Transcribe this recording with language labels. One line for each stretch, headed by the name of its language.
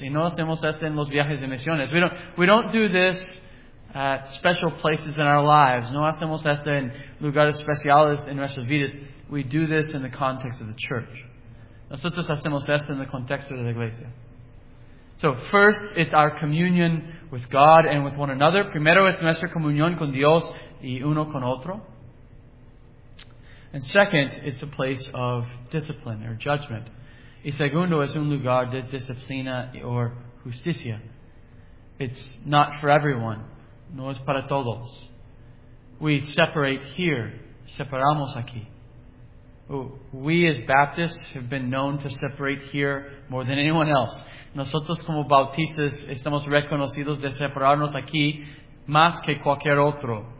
Spanish: Y no hacemos esto en los viajes de misiones.
English: We don't do this at special places in our lives.
Spanish: No hacemos esto en lugares especiales en nuestras vidas.
English: We do this in the context of the church.
Spanish: Nosotros hacemos esto en el contexto de la iglesia.
English: So first, it's our communion with God and with one another.
Spanish: Primero, es nuestra comunión con Dios y uno con otro.
English: And second, it's a place of discipline or judgment.
Spanish: Y segundo, es un lugar de disciplina or justicia.
English: It's not for everyone.
Spanish: No es para todos.
English: We separate here.
Spanish: Separamos aquí.
English: We as Baptists have been known to separate here more than anyone else.
Spanish: Nosotros como bautistas estamos reconocidos de separarnos aquí más que cualquier otro.